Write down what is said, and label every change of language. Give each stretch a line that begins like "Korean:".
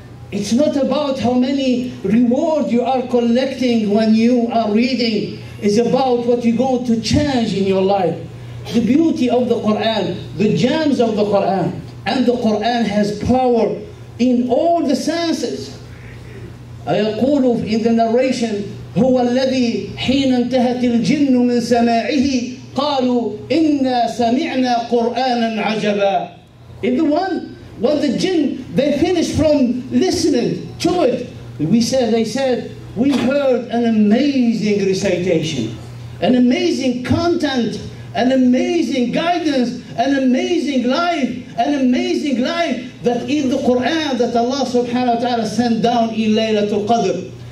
English: It's not about how many rewards you are collecting when you are reading. It's about what you're going to change in your life. The beauty of the Quran, the gems of the Quran, and the Quran has power in all the senses.
Arabic: يقول
English: in the narration,
Arabic: هو الذي حين انتهت الجن من سماعه قالوا إنا سمعنا قرآنا عجبا.
English: In the one, when the jinn, they finished from listening to it, they said, we heard an amazing recitation, an amazing content, an amazing guidance, an amazing life, an amazing life that in the Quran that Allah subhanahu wa ta'ala sent down in Laylatul Qadr.